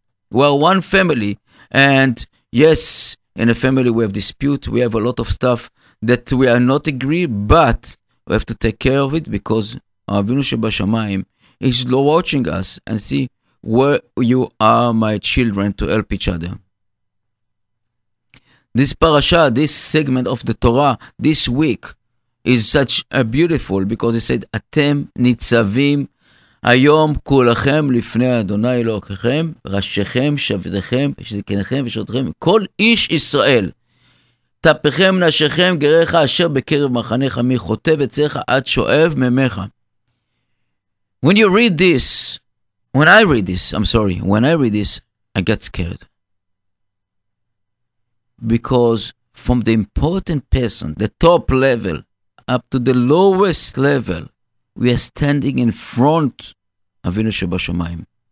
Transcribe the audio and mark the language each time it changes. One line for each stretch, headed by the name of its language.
English: We are one family, and yes, in a family we have dispute, we have a lot of stuff that we are not agree, but we have to take care of it because our Avinu Shebashamayim is watching us and see where you are, my children, to help each other. This parasha, this segment of the Torah, this week, is such a beautiful because it said, Atem nitzavim
Hebrew: היום כולכם לפני אדוני אלוהיכם, ראשיכם, שבתיכם, זקניכם ושוטריכם, כל איש ישראל, טפיכם, נשיכם, גריך אשר בקרב מחניך, מי חוטב עציך עד שואב ממך.
English: When you read this, when I read this, I'm sorry, when I read this, I get scared. Because from the important person, the top level, up to the lowest level, we are standing in front of Avinu Shebashamayim.